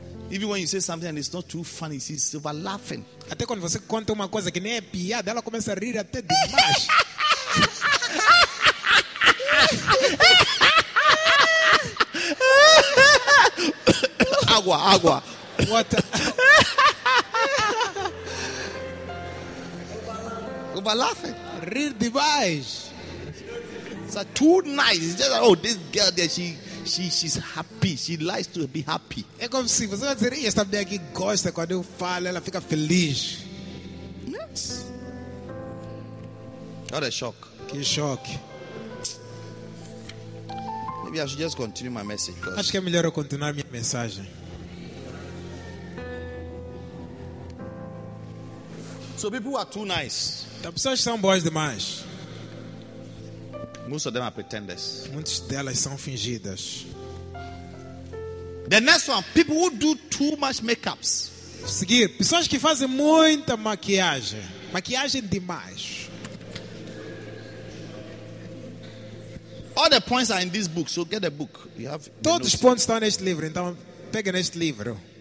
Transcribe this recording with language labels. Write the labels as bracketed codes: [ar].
[en] Even when you say something and it's not too funny, she's over laughing. [pt] Até quando você conta uma coisa que nem é piada, ela começa a rir até demais. Água. [en] What? Over laughing. [pt] Rir demais. [en] It's like too nice. It's just like, oh, this girl there, she's happy. She likes to be happy. [pt] É como se você vai dizer, esta mulher aqui gosta quando eu falo, ela fica feliz. [en] Yes. What a shock. [pt] Que shock. [en] Maybe I should just continue my message. Because... [pt] acho que é melhor eu continuar minha mensagem. [en] So people are too nice. [pt] As pessoas são boas demais. [en] Most of them are pretenders. [pt] Muitas delas são fingidas. [en] The next one, people who do too much makeups. [pt] Seguir, pessoas que fazem muita maquiagem. Maquiagem demais. [en] All the points are in this book, so get the book. You have [pt] todos os pontos estão neste livro, então pega neste livro.